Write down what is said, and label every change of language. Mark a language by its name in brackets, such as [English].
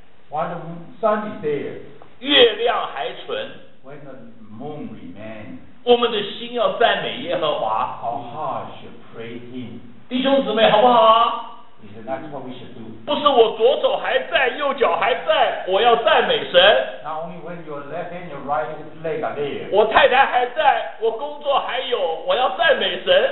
[English] ，When the sun is there。 [Chinese] 月亮还存 [English] ，When the moon remains。 [Chinese] 我们的心要赞美耶和华 [English] ，Our heart should praise Him。 [Chinese] 弟兄姊妹，好不好？ [English] That's what we should do. [Chinese] 不是我左手还在，右脚还在，我要赞美神。 [English] Not only when your left hand, your right leg are there. [Chinese] 我太太还在，我工作还有，我要赞美神。